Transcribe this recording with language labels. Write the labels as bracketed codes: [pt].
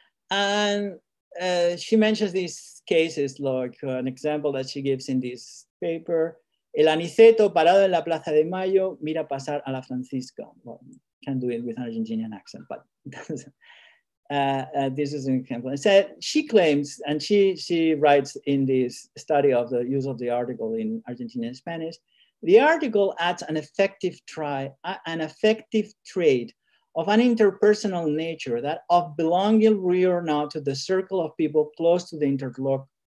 [en] And she mentions these cases, like an example that she gives in this paper. [es] El Aniceto parado en la Plaza de Mayo mira pasar a la Francisco. [en] Well, can't do it with an Argentinian accent, but this is an example. So she claims, and she writes in this study of the use of the article in Argentinian Spanish, the article adds an affective trait of an interpersonal nature, that of belonging real or not to the circle of people close to the interlocutors.